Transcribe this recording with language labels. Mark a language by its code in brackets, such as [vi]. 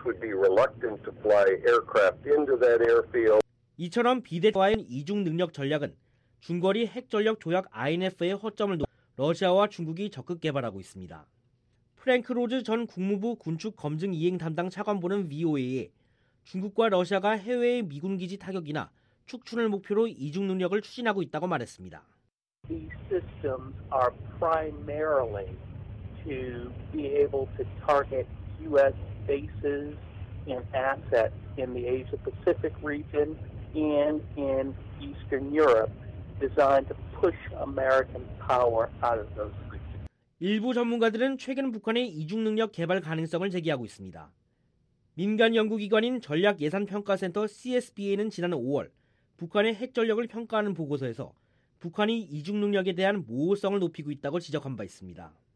[en] would be reluctant to fly aircraft into that airfield. [ko] 이처럼 비대화의 이중 능력 전략은 중거리 핵 전력 조약 INF의 허점을 노 러시아와 중국이 적극 개발하고 있습니다. 프랭크 로즈 전 국무부 군축 검증 이행 담당 차관보는 VOA에 중국과 러시아가 해외의 미군 기지 타격이나 축출을 목표로 이중 능력을 추진하고 있다고 말했습니다. [en] These systems are primarily to be able to target U.S. bases and assets in the Asia-Pacific region and in Eastern Europe, designed to push American power out of those regions. [ko] 일부 전문가들은 최근 북한의 이중 능력 개발 가능성을 제기하고 있습니다. 민간 연구기관인 전략예산평가센터 CSBA는 지난 5월 북한의 핵전력을 평가하는 보고서에서 북한이 이중 능력에 대한 모호성을 높이고 있다고 지적한 바 있습니다.